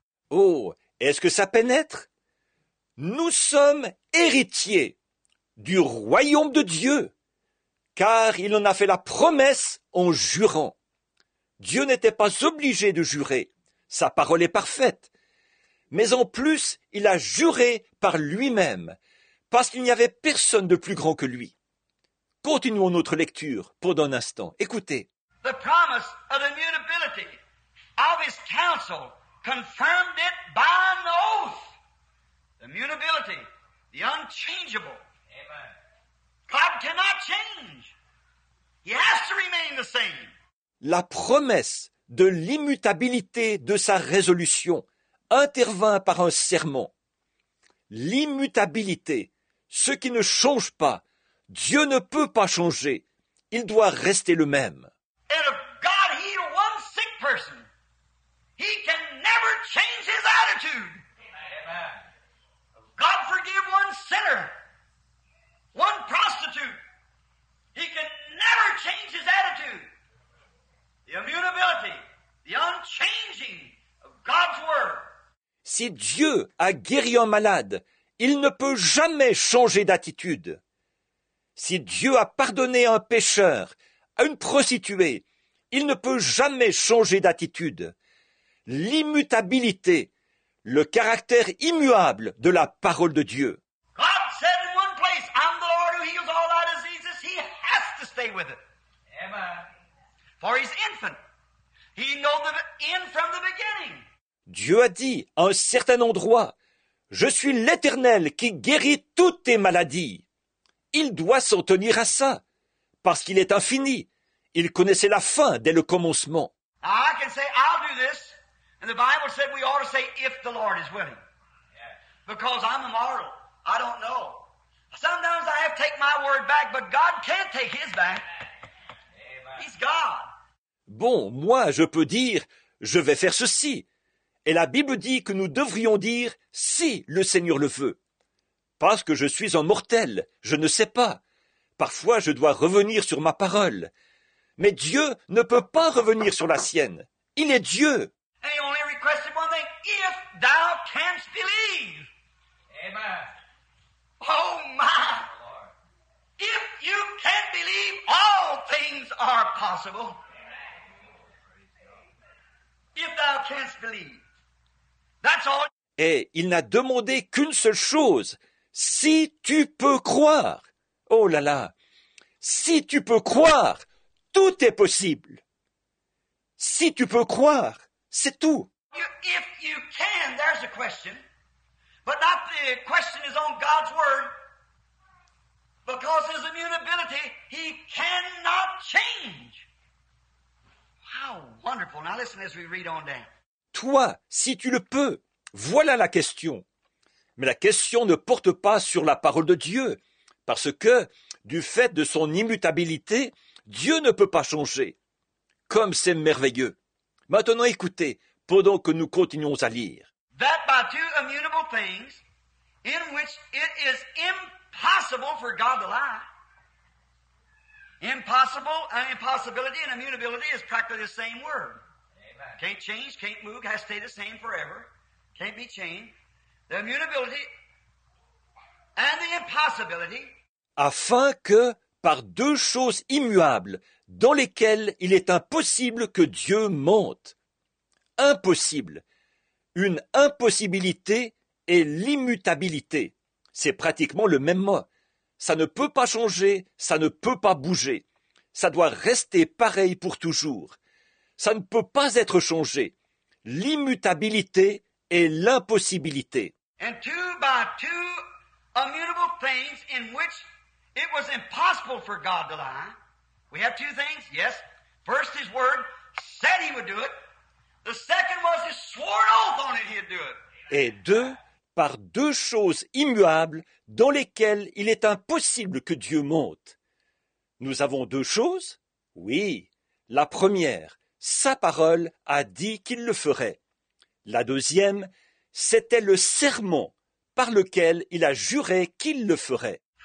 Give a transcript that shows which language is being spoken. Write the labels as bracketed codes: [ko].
[fr] Oh, est-ce que ça pénètre? Nous sommes héritiers du royaume de Dieu, car il en a fait la promesse en jurant. Dieu n'était pas obligé de jurer, sa parole est parfaite. Mais en plus, il a juré par lui-même, parce qu'il n'y avait personne de plus grand que lui. Continuons notre lecture pour un instant. Écoutez. [en] The promise of immutability of his counsel confirmed it by an oath. The immutability, the unchangeable. Amen. God cannot change. He has to remain the same. [fr] La promesse de l'immutabilité de sa résolution intervint par un serment. L'immutabilité, ce qui ne change pas, Dieu ne peut pas changer, il doit rester le même. [en] And if God healed one sick person, he can never change his attitude. Amen. God forgive one sinner, one prostitute, he can never change his attitude. The immutability, the unchanging of God's word. [fr] Si Dieu a guéri un malade, il ne peut jamais changer d'attitude. Si Dieu a pardonné un pécheur, à une prostituée, il ne peut jamais changer d'attitude. L'immutabilité, le caractère immuable de la parole de Dieu. [en] God said in one place, I'm the Lord who heals all our diseases. He has to stay with it. Amen. For his infant, he knows the end from the beginning. [fr] Dieu a dit à un certain endroit, « Je suis l'Éternel qui guérit toutes tes maladies. » Il doit s'en tenir à ça, parce qu'il est infini. Il connaissait la fin dès le commencement. [en] I can say, I'll do this. And the Bible said we ought to say, if the Lord is willing. Because I'm a mortal. I don't know. Sometimes I have to take my word back, but God can't take his back. He's God. [fr] Bon, moi, je peux dire, je vais faire ceci. Et la Bible dit que nous devrions dire, si le Seigneur le veut. Parce que je suis un mortel, je ne sais pas. Parfois, je dois revenir sur ma parole. Mais Dieu ne peut pas revenir sur la sienne. Il est Dieu. [en] And he only requested one thing, if thou canst believe. Amen. Oh my. If you can believe, all things are possible. If thou canst believe, that's all. [fr] Et il n'a demandé qu'une seule chose, si tu peux croire. Oh là là, si tu peux croire, tout est possible. Si tu peux croire, c'est tout. [en] If you can, there's a question. But not the question is on God's word. Because his immutability, he cannot change. How wonderful. Now listen as we read on down. [fr] Toi, si tu le peux, voilà la question. Mais la question ne porte pas sur la parole de Dieu, parce que, du fait de son immutabilité, Dieu ne peut pas changer. Comme c'est merveilleux. Maintenant écoutez, pendant que nous continuons à lire. [en] That by two immutable things, in which it is impossible for God to lie. Impossible, an impossibility and immutability is practically the same word. Amen. Can't change, can't move, has to stay the same forever. Can't be changed. The immutability and the impossibility. [fr] Afin que, par deux choses immuables, dans lesquelles il est impossible que Dieu mente. Impossible. Une impossibilité et l'immutabilité. C'est pratiquement le même mot. Ça ne peut pas changer, ça ne peut pas bouger. Ça doit rester pareil pour toujours. Ça ne peut pas être changé. L'immutabilité et l'impossibilité. [en] And two by two immutable things in which it was impossible for God to lie. We have two things, yes. First, his word said he would do it. The second was his sworn oath on it he'd do it. [fr] est de, par deux choses immuables dans lesquelles il est impossible que Dieu monte. Nous avons deux choses? Oui. La première, sa parole a dit qu'il le ferait. La deuxième, c'était le serment par lequel il a juré qu'il le ferait.